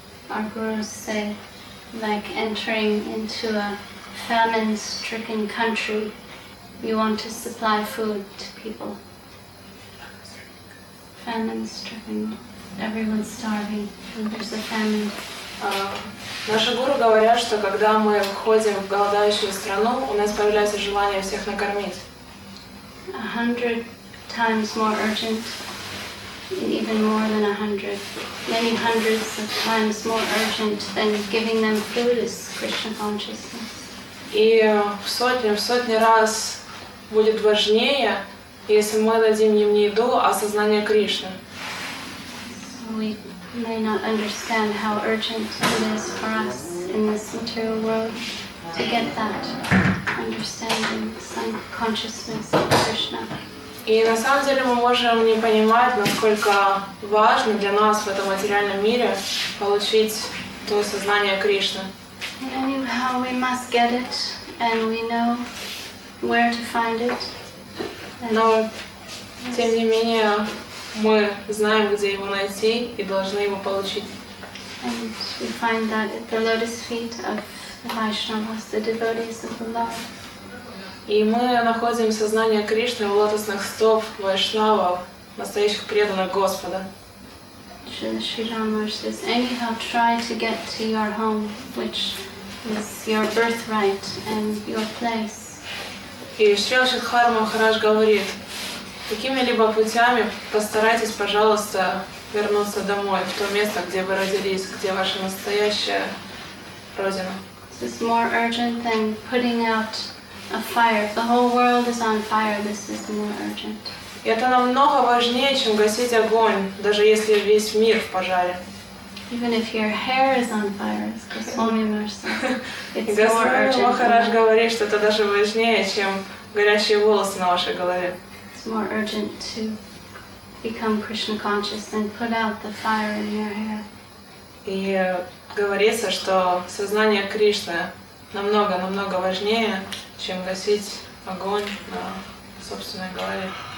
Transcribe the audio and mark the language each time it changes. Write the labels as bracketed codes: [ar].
[en] Our gurus say, like entering into a famine-stricken country, you want to supply food to people. Famine-stricken, everyone's starving, and there's a famine. [ru] Наши гуру говорят, что когда мы входим в голодающую страну, у нас появляется желание всех накормить. [en] 100 times more urgent. Even more than 100. Many hundreds of times more urgent than giving them food is Krishna consciousness. [ru] И в сотни раз будет важнее, если мы дадим им не еду, а сознание Кришны. [en] We may not understand how urgent it is for us in this material world to get that understanding, some consciousness of Krishna. [ru] И на самом деле мы можем не понимать, насколько важно для нас в этом материальном мире получить то сознание Кришны. [en] Anyhow, we must get it, and we know where to find it. [ru] Но тем не менее мы знаем, где его найти, и должны его получить. [en] And we find that at the lotus feet of the Vaishnavas, the devotees of the Lord. [ru] И мы находим сознание Кришны в лотосных стоп вайшнавов, настоящих преданных Господа. [en] Шри Рамаш says, anyhow, try to get to your home, which is your birthright and your place. [ru] И Шри Шридхар Махарадж говорит, какими-либо путями постарайтесь, пожалуйста, вернуться домой, в то место, где вы родились, где ваша настоящая родина. [en] This is more urgent than putting out a fire. The whole world is on fire. This is more urgent. [ru] Это намного важнее, чем гасить огонь, даже если весь мир в пожаре. [en] Even if your hair is on fire, Goswami Maharaj says, it's more urgent. [ru] Махарадж говорит, что это даже важнее, чем горящие волосы на вашей голове. [en] It's more urgent to become Krishna conscious than put out the fire in your hair. [ru] И говорится, что сознание Кришны намного важнее, чем гасить огонь на собственной голове.